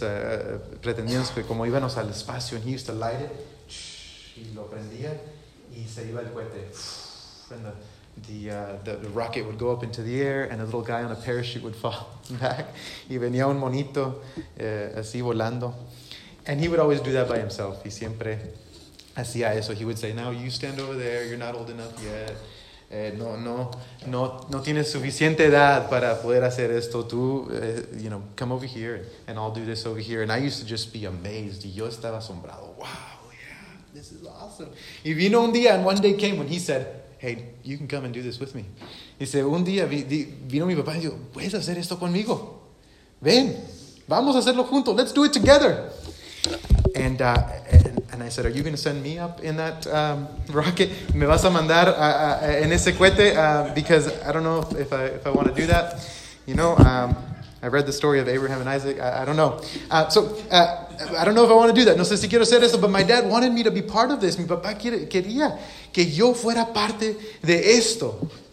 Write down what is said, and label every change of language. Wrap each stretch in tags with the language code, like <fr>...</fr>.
<es>Pretendíamos que como íbamos al espacio,</es> <en>and he used to light it,</en> <es>y lo prendía, y se iba el cohete.</es> <en>The rocket would go up into the air, and a little guy on a parachute would fall back.</en> <es>Y venía un monito así volando.</es> <en>And he would always do that by himself.</en> <es>Y siempre hacía eso.</es> <en>He would say, now you stand over there. You're not old enough yet.</en> <es>no tienes suficiente edad para poder hacer esto. Tú,</es> <en>you know, come over here and I'll do this over here. And I used to just be amazed.</en> <es>Y yo estaba asombrado.</es> <en>Wow, yeah, this is awesome.</en> <es>Y vino un día,</es> <en>and one day came when he said, hey, you can come and do this with me.</en> <es>Dice, un día vino mi papá y dijo, ¿puedes hacer esto conmigo? Ven, vamos a hacerlo juntos.</es> <en>Let's do it together. And I said, are you going to send me up in that rocket?</en> <es>¿Me vas a mandar en ese cohete?</es> <en>Because I don't know if I want to do that. You know, I read the story of Abraham and Isaac. I don't know. I don't know if I want to do that.</en> <es>No sé si quiero hacer eso.</es> <en>But my dad wanted me to be part of this.</en> <es>Mi papá quería que yo fuera parte de esto.</es>